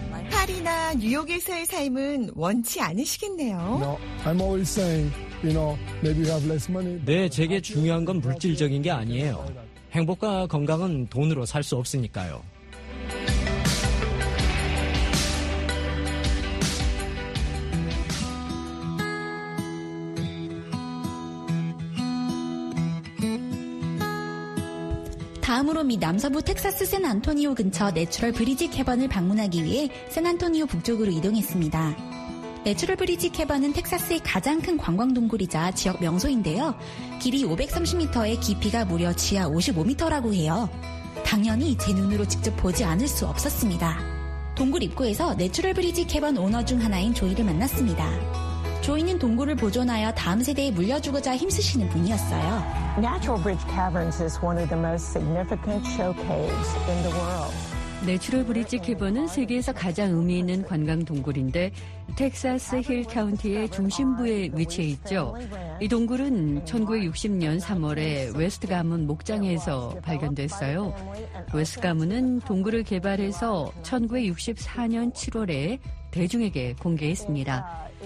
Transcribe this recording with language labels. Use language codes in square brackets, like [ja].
[ko] 파리나 뉴욕에서의 삶은 원치 않으시겠네요. [en] I'm always saying, you know, maybe you have less money. [ko] 네, 제게 중요한 건 물질적인 게 아니에요. 행복과 건강은 돈으로 살 수 없으니까요. 다음으로 미 남서부 텍사스 샌안토니오 근처 내추럴 브리지 캐번을 방문하기 위해 샌안토니오 북쪽으로 이동했습니다. 내추럴 브리지 캐번은 텍사스의 가장 큰 관광 동굴이자 지역 명소인데요. 길이 530m에 깊이가 무려 지하 55m라고 해요. 당연히 제 눈으로 직접 보지 않을 수 없었습니다. 동굴 입구에서 내추럴 브리지 캐번 오너 중 하나인 조이를 만났습니다. 조이는 동굴을 보존하여 다음 세대에 물려주고자 힘쓰시는 분이었어요. [en] Natural Bridge Caverns is one of the most significant showcases in the world. [ko] 내추럴 브릿지 캐번은 세계에서 가장 의미 있는 관광 동굴인데 텍사스 힐 카운티의 중심부에 위치해 있죠. 이 동굴은 1960년 3월에 웨스트 가문 목장에서 발견됐어요. 웨스트 가문은 동굴을 개발해서 1964년 7월에 대중에게 공개했습니다.